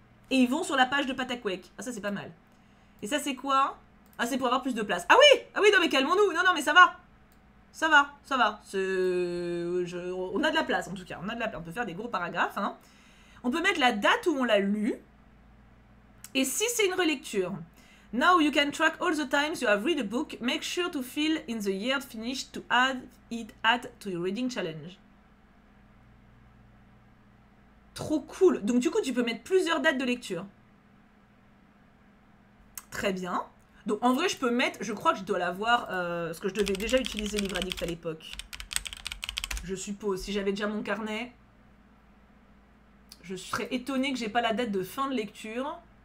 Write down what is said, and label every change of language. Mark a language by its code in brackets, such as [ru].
[fr] Et ils vont sur la page de Patacouek. Ah, ça c'est pas mal. Et ça c'est quoi? Ah, c'est pour avoir plus de place. Ah oui! Ah oui, non mais calmons-nous! Non, non, mais ça va! Ça va, ça va. C'est... Je... On a de la place, en tout cas. On a de la place. On peut faire des gros paragraphes. Hein. On peut mettre la date où on l'a lu. Et si c'est une relecture. [en] Now you can track all the times you have read a book. Make sure to fill in the year finished to add it at to your reading challenge. [fr] Trop cool. Donc du coup, tu peux mettre plusieurs dates de lecture. Très bien. Donc en vrai, je peux mettre, je crois que je dois l'avoir, parce que je devais déjà utiliser Livre Addict à l'époque. Je suppose, si j'avais déjà mon carnet. Je serais étonnée que j'ai pas la date de fin de lecture.